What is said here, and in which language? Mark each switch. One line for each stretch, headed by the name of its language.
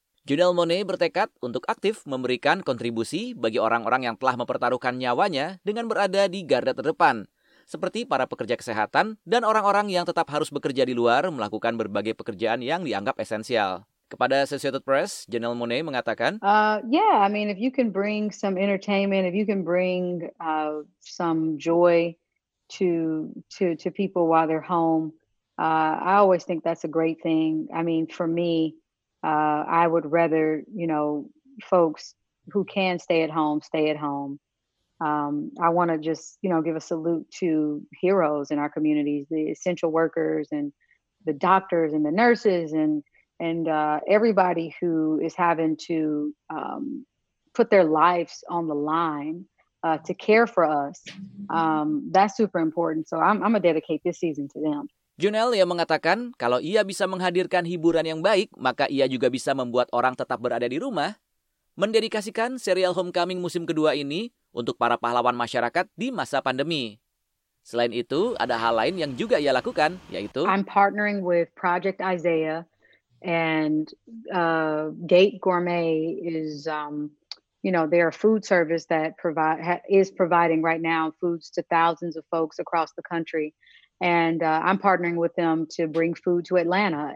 Indonesian: Janelle Monáe bertekad untuk aktif memberikan kontribusi bagi orang-orang yang telah mempertaruhkan nyawanya dengan berada di garda terdepan, seperti para pekerja kesehatan dan orang-orang yang tetap harus bekerja di luar melakukan berbagai pekerjaan yang dianggap esensial. Kepada Associated Press, Janelle Monáe mengatakan,
English: I mean, if you can bring some entertainment, if you can bring some joy to people while they're home, I always think that's a great thing. I mean, for me, I would rather, you know, folks who can stay at home, stay at home. I want to just, you know, give a salute to heroes in our communities, the essential workers and the doctors and the nurses and everybody who is having to put their lives on the line to care for us. That's super important. So I'm gonna dedicate this season to them.
Indonesian: Janelle yang mengatakan kalau ia bisa menghadirkan hiburan yang baik, maka ia juga bisa membuat orang tetap berada di rumah. Mendedikasikan serial Homecoming musim kedua ini untuk para pahlawan masyarakat di masa pandemi. Selain itu, ada hal lain yang juga ia lakukan, yaitu
English: I'm partnering with Project Isaiah, and Gate Gourmet is, you know, they're a food service that is providing right now foods to thousands of folks across the country. And I'm partnering with them to bring food to Atlanta.